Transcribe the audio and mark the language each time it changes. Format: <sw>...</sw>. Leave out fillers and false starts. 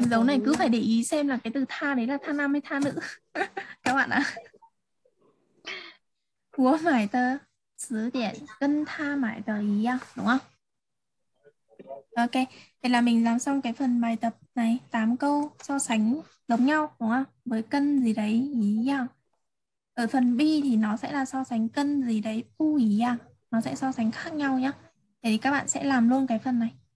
<vi>Dấu này cứ phải để ý xem là cái từ tha đấy là tha nam hay tha nữ. Các bạn ạ.</vi> <zh>我买的词典跟他买的一样，</zh> <vi>đúng không? OK, thế là mình làm xong cái phần bài tập này, 8 câu so sánh giống nhau, đúng không? Với cân gì đấy ý nhau. Ở phần B thì nó sẽ là so sánh cân gì đấy u ý nhau. Nó sẽ so sánh khác nhau nhá. Thế thì các bạn sẽ làm luôn cái phần này.</vi>